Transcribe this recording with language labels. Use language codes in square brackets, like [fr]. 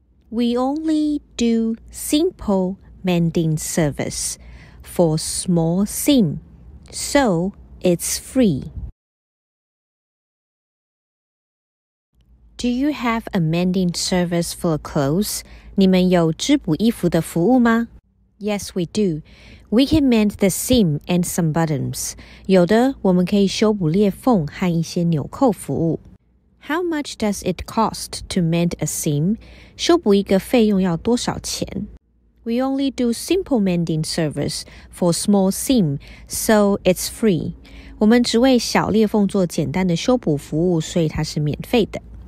[en] We only do simple mending service for small seam, so it's free. Do you have a mending service for clothes? [zh] 你们有织补衣服的服务吗？ [en] Yes, we do. We can mend the seam and some buttons. [zh] 有的，我们可以修补裂缝和一些纽扣服务。 [en] How much does it cost to mend a seam? [zh] 修补一个费用要多少钱？ [en] We only do simple mending service for small seam, so it's free. [zh] 我们只为小裂缝做简单的修补服务，所以它是免费的。